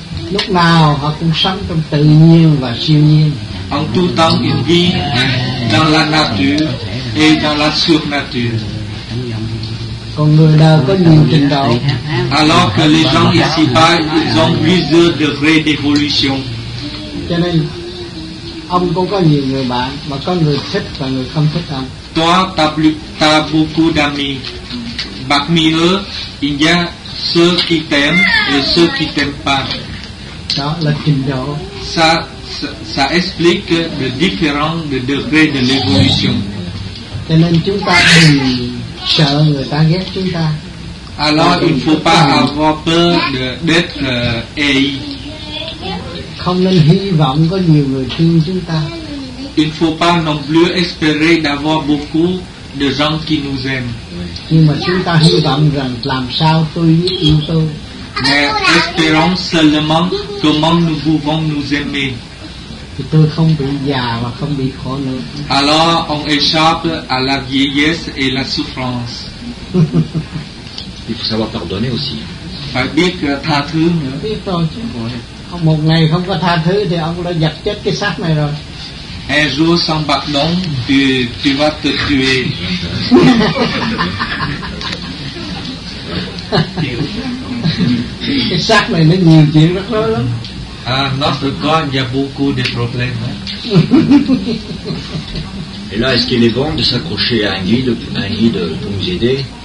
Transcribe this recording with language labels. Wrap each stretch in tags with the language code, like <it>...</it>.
<vi>Lúc nào họ cũng sống trong tự nhiên và siêu nhiên.</vi> <fr>En tout temps, ils vivent dans la nature et dans la surnature.</fr> <vi>Còn người nào có nhiều trình độ.</vi> <fr>Alors que les gens ici-bas, ils ont plusieurs degrés d'évolution.</fr> <vi>Cho nên ông cũng có nhiều người bạn, mà có người thích và người không thích ông.</vi> <fr>Toi, t'as beaucoup d'amis. Parmi eux, il y a ceux qui t'aiment et ceux qui t'aiment pas.</fr> <vi>Đó là trình độ.</vi> <fr>Ça explique le différent de degré de l'évolution.</fr> <vi>Cho nên chúng ta đừng sợ người ta ghét chúng ta.</vi> <fr>Alors, il ne faut pas avoir peur d'être haï.</fr> <vi>Không nên hy vọng có nhiều người thương chúng ta.</vi> <fr>Il ne faut pas non plus espérer d'avoir beaucoup de gens qui nous aiment.</fr> <vi>Nhưng mà chúng ta hy vọng rằng làm sao tôi yêu tôi.</vi> <fr>Mais espérons seulement comment nous pouvons nous aimer.</fr> <vi>Thì tôi không bị già và không bị khổ nữa.</vi> <fr>Alors on échappe à la vieillesse et la souffrance. Il faut savoir pardonner aussi.</fr> <vi>Phải biết tha thứ nữa. Biết rồi chứ. Một ngày không có tha thứ thì ông đã giật chết cái xác này rồi.</vi> <fr>Un jour sans pardon, tu vas te tuer.</fr> <vi>Cái xác này nó nhiều chuyện rất lớn lắm.</vi> <fr>Notre corps, il y a beaucoup de problèmes. Et là, est-ce qu'il est bon de s'accrocher à un guide pour nous aider?</fr>